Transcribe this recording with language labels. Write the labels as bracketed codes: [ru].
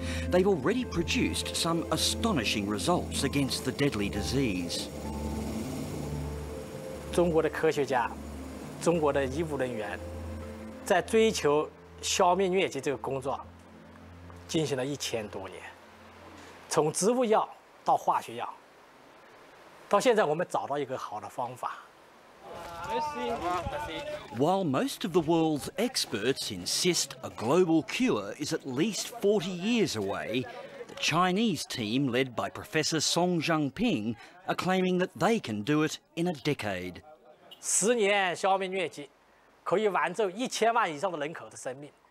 [en] They've already produced some astonishing results against the deadly disease. Chinese scientists, Chinese medical workers, in the search for eradicating malaria, have been working for 1,000 years. [zh] 从植物药到化学药，到现在我们找到一个好的方法。 [en] While most of the world's experts insist a global cure is at least 40 years away, the Chinese team led by Professor Song JiangPing are claiming that they can do it in a decade. [zh] 十年消灭疟疾，可以挽救一千万以上的人口的生命。